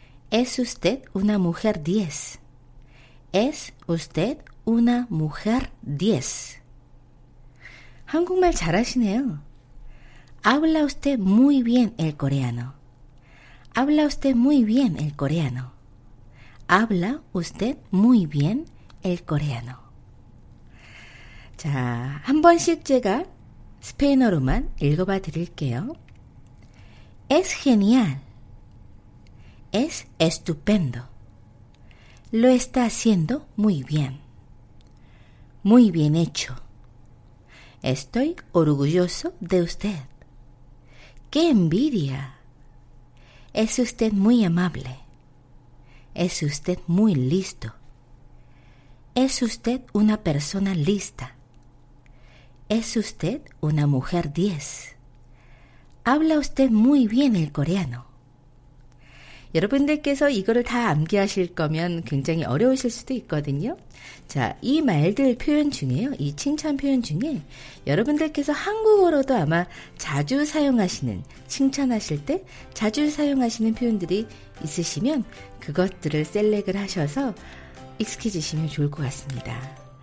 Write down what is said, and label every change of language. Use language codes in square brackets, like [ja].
[es] Es usted una mujer 10. Es usted una mujer 10. [ko] 한국말 잘하시네요. [es] Habla usted muy bien el coreano. Habla usted muy bien el coreano. Habla usted muy bien el coreano. [ko] 자, 한 번씩 제가 스페인어로만 읽어봐 드릴게요. [es] Es genial. Es estupendo. Lo está haciendo muy bien. Muy bien hecho. Estoy orgulloso de usted. ¡Qué envidia! Es usted muy amable. Es usted muy listo. Es usted una persona lista. Es usted una mujer 10. Habla usted muy bien el coreano. [ko] 여러분들께서 이거를 다 암기하실 거면 굉장히 어려우실 수도 있거든요. 자, 이 말들 표현 중에요. 이 칭찬 표현 중에 여러분들께서 한국어로도 아마 자주 사용하시는, 칭찬하실 때 자주 사용하시는 표현들이 있으시면 그것들을 셀렉을 하셔서 익숙해지시면 좋을 것 같습니다.